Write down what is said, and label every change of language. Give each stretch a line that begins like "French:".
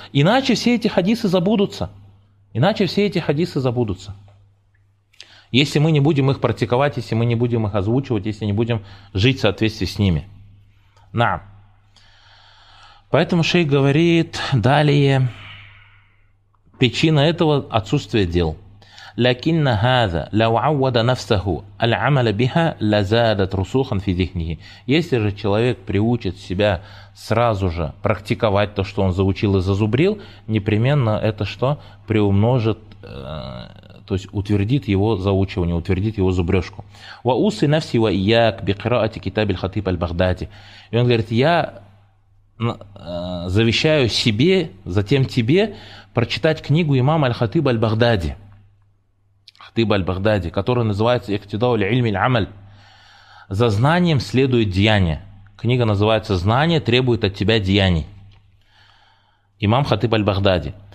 Russian: Иначе все эти хадисы забудутся. Иначе все эти хадисы забудутся. Если мы не будем их практиковать, если мы не будем их озвучивать, если не будем жить в соответствии с ними. На. Поэтому шейх говорит далее. Причина этого – отсутствие дел.
Arabic: لكن هذا لو عود نفسه العمل بها لزادت رسوخا في ذهنه.
Russian: Если же человек приучит себя сразу же практиковать то, что он заучил и зазубрил, непременно это что? Приумножит, то есть утвердит его заучивание, утвердит его зубрежку.
Arabic: وأوصي نفسي وإياك بقراءة كتاب الخطيب البغدادي.
Russian: И он говорит, я завещаю себе, затем тебе, прочитать книгу имама аль-Хатиб аль-Багдади. Хатиб аль-Багдади, который называется «Иктидау ль-Ильм аль-Амаль». «За знанием следует деяние». Книга называется «Знание требует от тебя деяний». Имам Хатиб аль-Багдади.